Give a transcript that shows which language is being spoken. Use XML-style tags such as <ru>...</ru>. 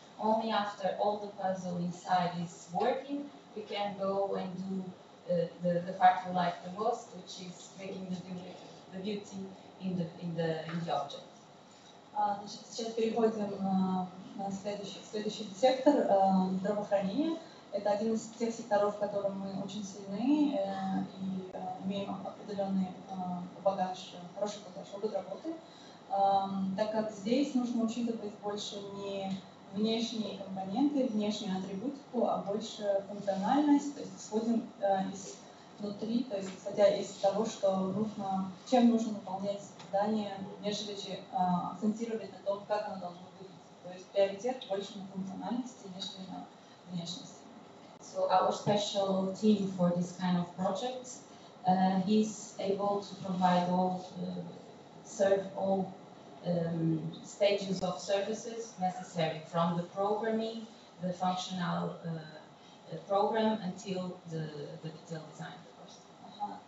<en>Only after all the puzzle inside is working, we can go and do the part we like the most, which is making the beauty in the object.</en> <ru>Значит, сейчас переходим на следующий сектор здравоохранения. Это один из тех секторов, в котором мы очень сильны и имеем определенный багаж, хороший багаж, опыт работы, так как здесь нужно учитывать больше не внешние компоненты, внешнюю атрибутику, а больше функциональность, то есть исходим из внутри, то есть исходя из того, что нужно, чем нужно наполнять здание, нежели акцентировать на том, как оно должно выглядеть. То есть приоритет больше на функциональности, нежели на внешности.</ru> <en>So our special team for this kind of project is able to provide all serve all stages of services necessary from the programming, the functional program until the detailed design, of course.</en>